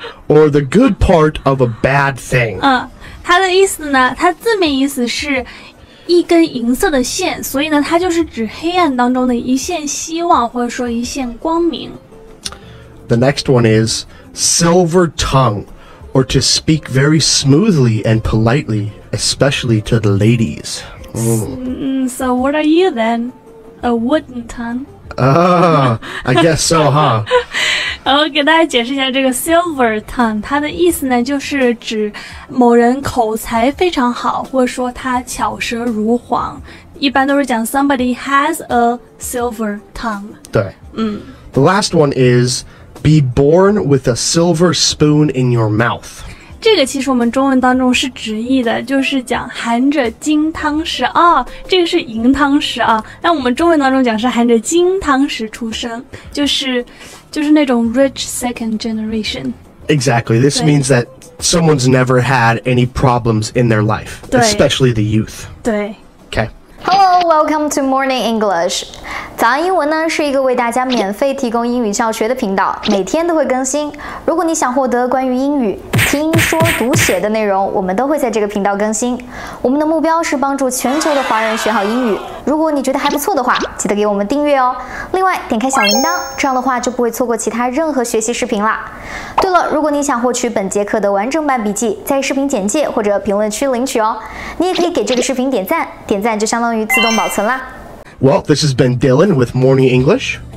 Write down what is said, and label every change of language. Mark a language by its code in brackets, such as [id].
[en] Or the good part of a bad thing. [zh] 它的意思呢，它字面意思是一根银色的线，所以呢，它就是指黑暗当中的一线希望，或者说一线光明。 [en] The next one is silver tongue, or to speak very smoothly and politely, especially to the ladies. So what are you then? A wooden tongue? I guess so, huh? [zh] 我给大家解释一下这个 silver tongue, 它的意思呢就是指某人口才非常好，或者说他巧舌如簧，一般都是讲 [en] somebody has a silver tongue. [zh] 对。 [en] The last one is... Be born with a silver spoon in your mouth. [zh] 这个其实我们中文当中是直译的，就是讲含着金汤匙啊、哦，这个是银汤匙啊。那我们中文当中讲是含着金汤匙出生，就是那种 [en] rich second generation. Exactly. This means that someone's never had any problems in their life, especially the youth. [zh] 对。 [en] Okay. Hello, welcome to Morning English. [zh] 早安英文呢是一个为大家免费提供英语教学的频道，每天都会更新。如果你想获得关于英语听说读写的内容，我们都会在这个频道更新。我们的目标是帮助全球的华人学好英语。如果你觉得还不错的话，记得给我们订阅哦。另外，点开小铃铛，这样的话就不会错过其他任何学习视频啦。对了，如果你想获取本节课的完整版笔记，在视频简介或者评论区领取哦。你也可以给这个视频点赞，点赞就相当于自动保存啦。 [en] Well, this has been Dylan with Morning English.